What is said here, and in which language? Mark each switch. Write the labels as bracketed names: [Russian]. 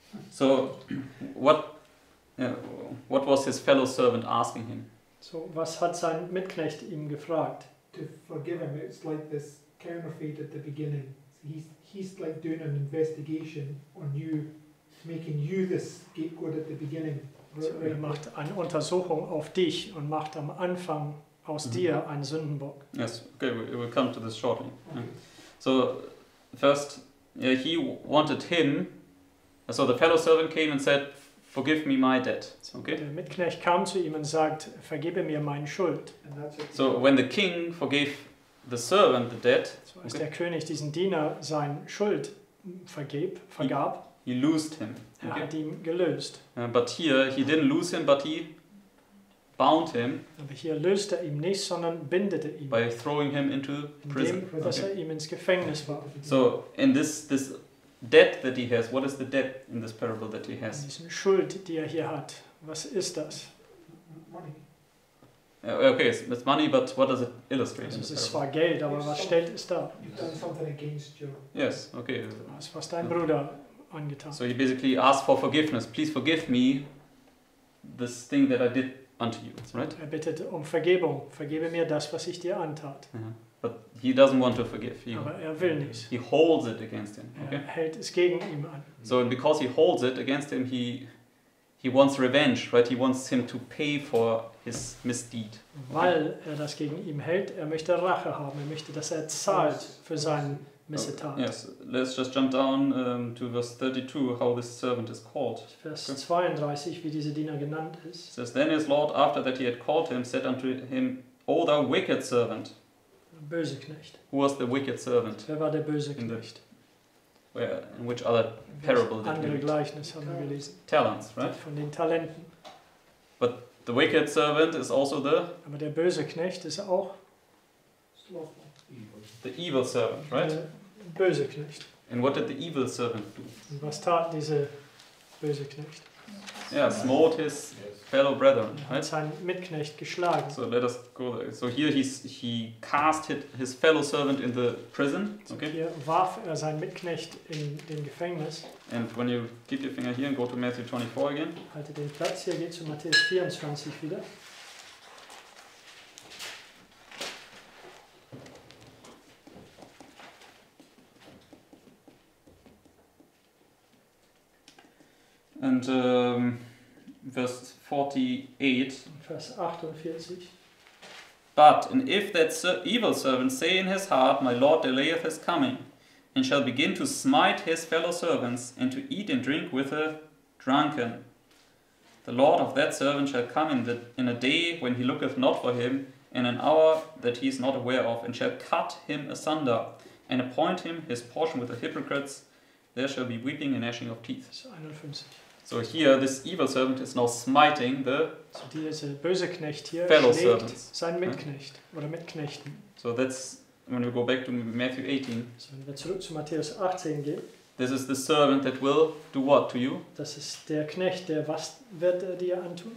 [English] So what was his fellow servant asking him? [German] So was hat sein Mitknecht ihm gefragt? [English] To forgive him, it's like this counterfeit at the beginning. He's like doing an investigation on you, making you the scapegoat at the beginning. [German] So er macht eine Untersuchung auf dich und macht am Anfang aus dir ein Sündenbock. [English] Yes, okay, we will come to this shortly. Okay. So, first, he wanted him, so the fellow servant came and said, forgive me my debt. Okay. [German] Der Mitknecht kam zu ihm und sagt, vergebe mir meine Schuld. [English] So, when the king forgave the servant the debt, [German] so als der König diesen Diener sein Schuld vergab, [English] he loosed him. [German] Er hat ihn gelöst. [English] But here, he didn't lose him, but he bound him. [German] Aber hier löste er ihn nicht, sondern bindete ihn. [English] By throwing him into prison. [German] Dass er ihm ins Gefängnis warf. [English] So, in this debt that he has, what is the debt in this parable that he has? [German] Diese Schuld, die er hier hat, was ist das? [English] Money. Okay, so it's money, but what does it illustrate? [German] Also, es ist zwar Geld, aber was stellt es da? [English] You've done something against your... Yes, okay. [German] Was dein Bruder angetan. [English] So he basically asked for forgiveness. Please forgive me this thing that I did unto you, right? [German] Er bittet um Vergebung. Vergebe mir das, was ich dir antat. [English] Yeah. But he doesn't want to forgive. [German] Aber er will nicht. [English] He holds it against him. [German] Er [English] okay? [German] hält es gegen ihm an. [English] So and because he holds it against him, he wants revenge, right? He wants him to pay for his misdeed. Okay? [German] Weil er das gegen ihm hält, er möchte Rache haben. Er möchte, dass er zahlt für seinen Missetat. [English] Okay. Yes, let's just jump down to verse 32, how this servant is called. [German] Vers 32, wie dieser Diener genannt ist. [English] It says, then his Lord, after that he had called him, said unto him, O thou wicked servant. [German] Böse Knecht. [English] Who was the wicked servant? [German] Wer war der böse Knecht? [English] In which other parable did [German] andere Gleichnis haben wir gelesen. [English] Talents, right? [German] Von den Talenten. [English] But the wicked servant is also the... [German] Aber der böse Knecht ist auch... [English] Sloth. The evil servant, right? [German] Böse Knecht. [English] And what did the evil servant do? [German] Was tat dieser böse Knecht? [English] Yeah, smote his fellow brethren, right? [German] Hat seinen Mitknecht geschlagen. [English] So let us go there. So here he cast his fellow servant in the prison. Okay. [German] Hier warf er seinen Mitknecht in den Gefängnis. [English] And when you keep your finger here and go to Matthew 24 again. [German] Halte den Platz hier, geht zu Matthäus 24 wieder. [English] And verse 48. [German] Vers [English] 48. But and if that evil servant say in his heart, my lord delayeth his coming, and shall begin to smite his fellow servants, and to eat and drink with a drunken, The Lord of that servant shall come in a day when he looketh not for him, in an hour that he is not aware of, and shall cut him asunder, and appoint him his portion with the hypocrites. There shall be weeping and gnashing of teeth. So here this evil servant is now smiting the [German] böse Knecht hier [English] fellow servant, [German] sein Mitknecht, right? Oder Mitknechten. [English] So that's when we go back to Matthew 18. [German] So wenn wir zurück zu Matthäus 18 gehen. [English] This is the servant that will do what to you? [German] Das ist der Knecht, der was wird er dir antun?